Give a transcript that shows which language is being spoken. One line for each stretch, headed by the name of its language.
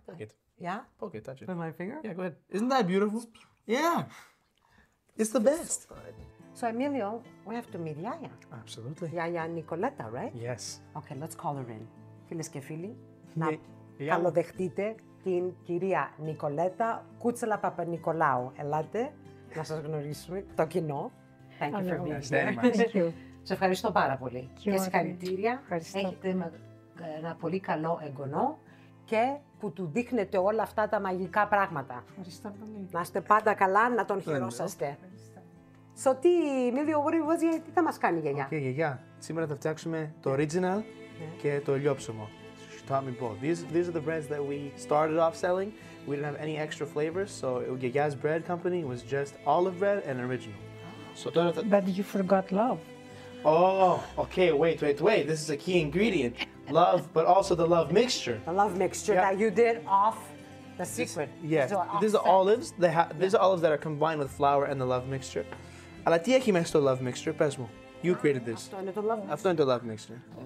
English: Poke it. Yeah? Poke it. Touch it. With my finger? Yeah, go ahead. Isn't that beautiful? Yeah. It's the best. So, Emilio, we have to meet Yaya. Absolutely. Yaya Nicoletta, right? Yes. Okay, let's call her in.
Greek: Filles και φίλοι, να καλοδεχτείτε την κυρία Νικολέτα Κούτσελα Παπανικολάου. Ελάτε να σας γνωρίσουμε το κοινό.
English: Thank you for being here.
Greek: Σε ευχαριστώ πάρα πολύ. Και συγχαρητήρια. Έχετε ένα πολύ καλό εγγονό και που του δείχνετε όλα αυτά τα μαγικά πράγματα. Ευχαριστώ πολύ. Να είστε πάντα καλά, να τον χειρόσαστε. Σω τι, Μίλιο Γρήγο, τι θα μας κάνει η γιαγιά. Okay, γιαγιά. Σήμερα θα φτιάξουμε το original και το ελιόψωμο.
English: She taught me both. These are the breads that we started off selling. We didn't have any extra flavors, so Gaga's bread company was just olive bread and original. So but you forgot love. Oh, okay, wait. This is a key ingredient. Love, but also the love mixture. The love mixture that you did off the secret. Yes, these are olives. These are olives that are combined with flour and the love mixture.
Greek: Αλλά τι έχει μέσα στο love mixture, πες μου.
English: You created this.
Greek: Αυτό είναι το love mixture. Αυτό είναι το love mixture.